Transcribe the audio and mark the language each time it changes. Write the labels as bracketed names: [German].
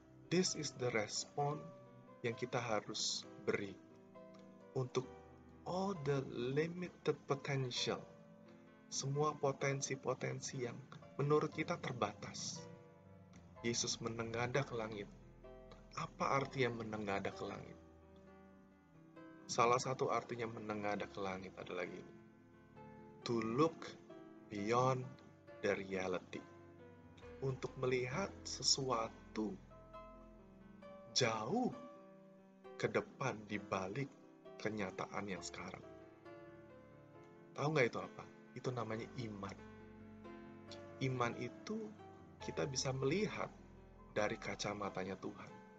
[English] This is the response [Indonesian] yang kita harus beri untuk [English] all the limited potential. [Indonesian] Semua potensi-potensi yang menurut kita terbatas. Yesus menengadah ke langit. Apa artinya menengadah ke langit? Salah satu artinya menengadah ke langit adalah gini. [English] To look beyond the reality. [Indonesian] Untuk melihat sesuatu jauh ke depan di balik kenyataan yang sekarang. Tahu nggak itu apa? Itu namanya iman. Iman itu kita bisa melihat dari kacamatanya Tuhan.